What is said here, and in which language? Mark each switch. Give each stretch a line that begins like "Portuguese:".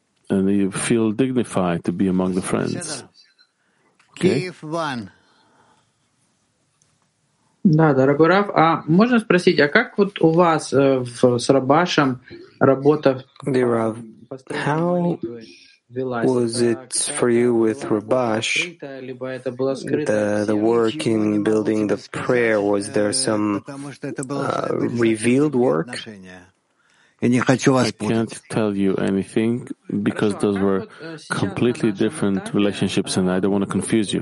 English: And you feel dignified to be among the friends.
Russian: Да, дорогой Рав, а можно спросить, а как вот у вас с Рабашем работа?
English: Dear Rav, how was it for you with Rabash? The work in building the prayer, was there some revealed work? can't tell you anything because those were completely different relationships and I don't want to confuse you.